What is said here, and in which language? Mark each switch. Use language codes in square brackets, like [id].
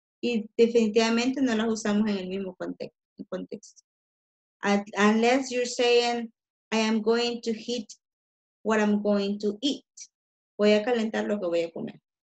[es] Y definitivamente no las usamos en el mismo contexto. [en] Unless you're saying, I am going to heat what I'm going to eat. [es] Voy a calentar lo que voy a comer.